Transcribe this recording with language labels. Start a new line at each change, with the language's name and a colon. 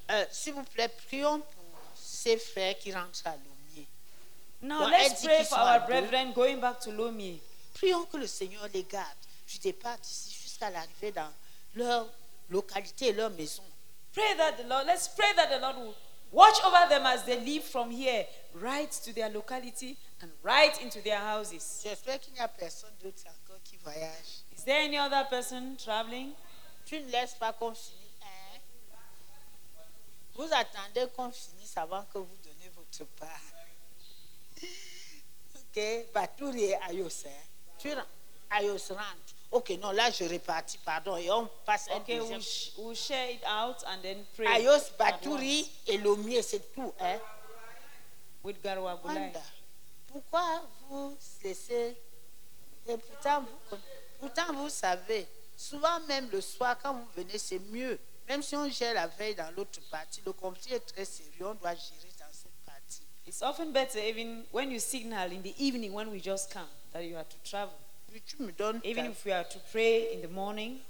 French: S'il vous plaît, prions pour ces frères qui rentrent à Lomé.
English: Now, let's pray for our brethren going back to Lomé.
French: Prions que le Seigneur les garde du départ d'ici jusqu'à l'arrivée dans leur localité et leur maison.
English: Let's pray that the Lord will watch over them as they leave from here right to their locality and right into their houses.
French: J'espère qu'il n'y a personne d'autre encore qui voyage.
English: Is there any other person traveling?
French: Tu ne laisses pas qu'on finisse, hein? Vous attendez qu'on finisse avant que vous donnez votre part. Ok, Batouri et Ayos, hein? Tu rentres. Ayos rentre. Ok, non, là je répartis, pardon, et on passe un deuxième.
English: Ok, we'll share it out and then pray.
French: Ayos, Batouri et Lomie, c'est tout, hein?
English: With Garoua Boulay.
French: Wanda, pourquoi vous laissez, et pourtant vous savez, souvent même le soir quand vous venez, c'est mieux. Même si on gère la veille dans l'autre partie, le conflit est très sérieux, on doit gérer dans cette partie.
English: It's often better even when you signal in the evening when we just come that you have to travel. Even if we are to pray in the morning,